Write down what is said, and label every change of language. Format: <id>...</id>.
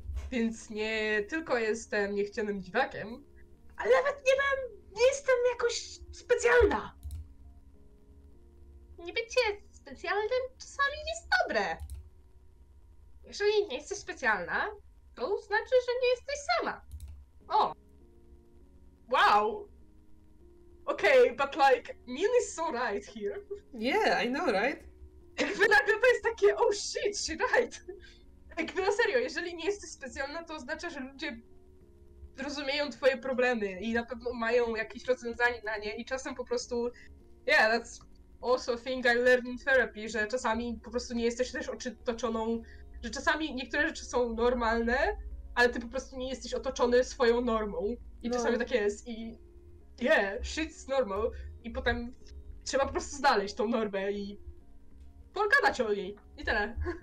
<pl>Więc nie tylko jestem niechcianym dziwakiem, ale nawet nie jestem jakoś specjalna. Nie bycie specjalnym czasami jest dobre. Jeżeli nie jesteś specjalna, To znaczy, że nie jesteś sama. O! Wow!</pl> <en>Okej, okay, but like, Min is so right here. Yeah, I know, right?</en> <pl>Jakby nagle to jest takie,</pl> <en>oh shit, she right.</en> <pl>Jakby na serio, jeżeli nie jesteś specjalna, to oznacza, że ludzie rozumieją twoje problemy i na pewno mają jakieś rozwiązanie na nie i czasem po prostu,</pl> <en>yeah, that's also a thing I learned in therapy,</en> <pl>że czasami po prostu nie jesteś też otoczoną, że czasami niektóre rzeczy są normalne, ale ty po prostu nie jesteś otoczony swoją normą i czasami no. Tak jest i</pl> <en>yeah, shit's normal</en> <pl>i potem trzeba po prostu znaleźć tą normę i pogadać o niej i tyle.</pl>